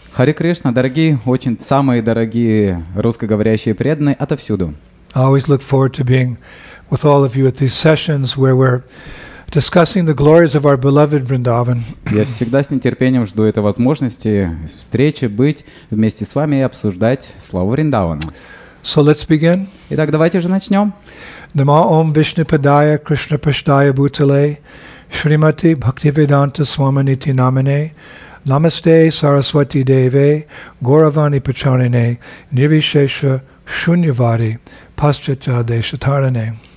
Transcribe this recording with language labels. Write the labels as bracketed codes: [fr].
[ru] Hare Krishna, дорогие, очень самые дорогие русскоговорящие преданные отовсюду. [en] I always look forward to being with all of you at these sessions where we're discussing the glories of our beloved Vrindavan. [ru] Я всегда с нетерпением жду этой возможности встречи, быть вместе с вами и обсуждать славу Вриндавана. [en] So let's begin. [ru] Итак, давайте же начнем. [sa] Нама Ом Вишнупадая Кришна Прасадая Бутале Шримати Бхактивиданта Свамините Намине Намасте Сарасвати Деве Гуравани Пачарине Нирвишеша Шуньявади Пасчача Дешатаране.